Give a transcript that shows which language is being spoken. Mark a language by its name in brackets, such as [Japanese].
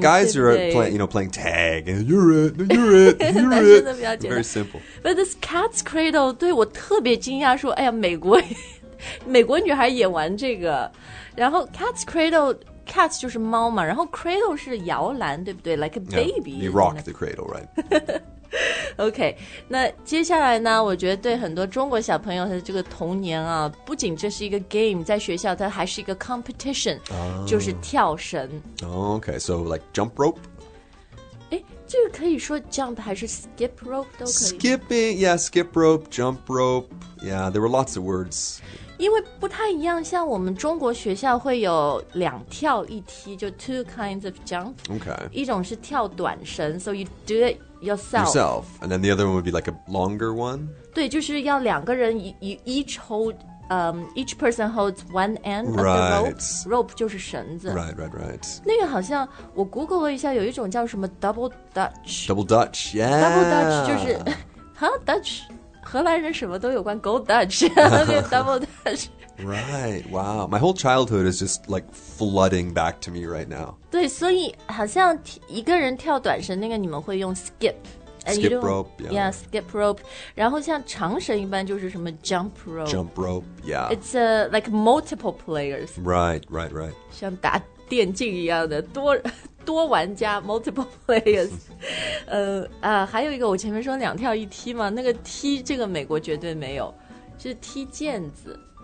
[English] Guys are playing tag and you're it. Very simple. But this cat's cradle [Chinese] 对我特别惊讶说哎呀美国女孩也玩这个。然后 cat's cradle, cat's 就是猫嘛然后 cradle 是摇篮对不对 [English] like a baby. Yeah, you rock the cradle, right? [Chinese] OK, 那接下来呢我觉得对很多中国小朋友的这个童年啊不仅这是一个 game, 在学校它还是一个 competition,、 [English] oh. [Chinese] 就是跳绳。 [English] OK, so like jump rope? [Chinese] 这个可以说 jump 还是 skip rope 都可以。 [English] Skipping, yeah, skip rope, jump rope, yeah, there were lots of words. [Chinese] 因为不太一样像我们中国学校会有两跳一踢就 [English] two kinds of jump. OK. [Chinese] 一种是跳短绳 [English] so you do itYourself, and then the other one would be like a longer one. [Chinese] 对，就是要两个人 [English] you each hold, each person holds one end of right. the rope. Rope [Chinese] 就是绳子。 [English] Right, right, right. [Chinese] 那个好像我 Google 了一下，有一种叫什么 Double Dutch. [English] Double Dutch, yeah. [Chinese] Double Dutch 就是 huh Dutch, 荷兰人什么都有关 Gold Dutch, Double Dutch. [English] Right, wow. My whole childhood is just like flooding back to me right now. [Chinese] 对，所以好像一个人跳短绳那个你们会用 skip. [English] Skip rope, yeah. Yeah, skip rope. [Chinese] 然后像长绳一般就是什么 jump rope. [English] Jump rope, yeah. It's like multiple players. Right, right, right. [Chinese] 像打电竞一样的多玩家 [English] multiple players. [Chinese] 还有一个我前面说两跳一踢嘛那个踢这个美国绝对没有是踢毽子。